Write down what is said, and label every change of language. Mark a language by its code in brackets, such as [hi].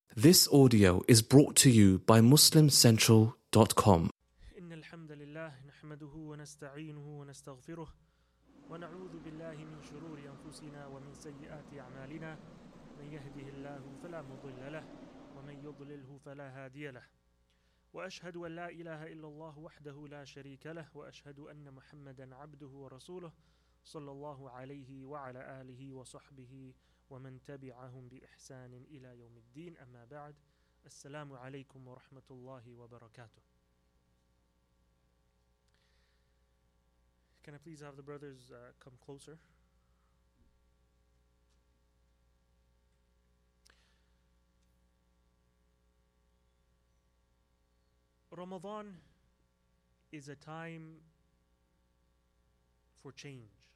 [en] This audio is brought to you by MuslimCentral.com. [ar] إن الحمد لله نحمده ونستعينه ونستغفره ونعوذ بالله من شرور أنفسنا ومن سيئات أعمالنا من يهده الله فلا مضل له ومن يضلله فلا هادي له وأشهد أن لا إله إلا الله وحده لا شريك له وأشهد أن محمدا عبده ورسوله صلى الله عليه وعلى آله وصحبه ومن تبعهم بإحسان إلى يوم الدين أما بعد السلام عليكم ورحمة الله وبركاته. [en] Can I please have the brothers come closer? Ramadan is a time for change.